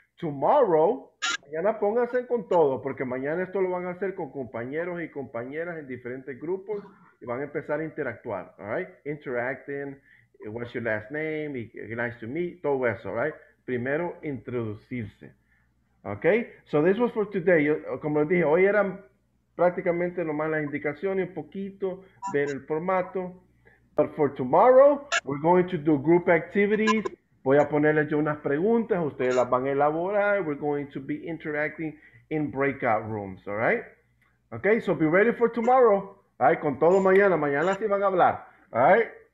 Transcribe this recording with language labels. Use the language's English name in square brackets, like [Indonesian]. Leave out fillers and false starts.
[English] Tomorrow, [Spanish] mañana pónganse con todo, porque mañana esto lo van a hacer con compañeros y compañeras en diferentes grupos y van a empezar a interactuar, [English] all right? Interacting, what's your last name, nice to meet, [Spanish] todo eso, [English] right? [Spanish] Primero, introducirse, [English] okay? So this was for today. [Spanish] Yo, como les dije, hoy eran prácticamente nomás las indicaciones, un poquito, ver el formato. [English] But for tomorrow, we're going to do group activities. [Spanish] Voy a ponerles yo unas preguntas, ustedes las van a elaborar. [English] We're going to be interacting in breakout rooms, all right? Okay, so be ready for tomorrow, all right? [Spanish] Con todo mañana, mañana sí van a hablar, [English] all right?